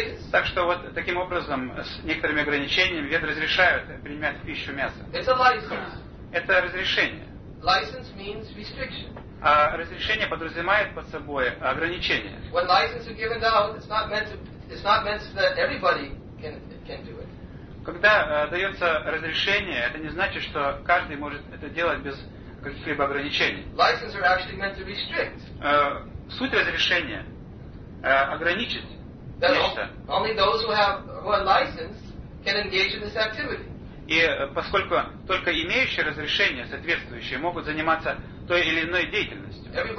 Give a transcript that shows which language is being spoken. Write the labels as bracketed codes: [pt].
[ru] Так что вот таким образом, с некоторыми ограничениями, веды разрешают принимать в пищу мясо. Это разрешение. [en] License means restriction. [ru] А разрешение подразумевает под собой ограничение. [en] When licenses are given out, it's not meant that everybody can do it. [ru] Когда дается разрешение, это не значит, что каждый может это делать без каких-либо ограничений. [en] Licenses are actually meant to restrict. [ru] Суть разрешения ограничить. [en] That only those who are licensed can engage in this activity. [ru] И поскольку только имеющие разрешение соответствующие могут заниматься той или иной деятельностью.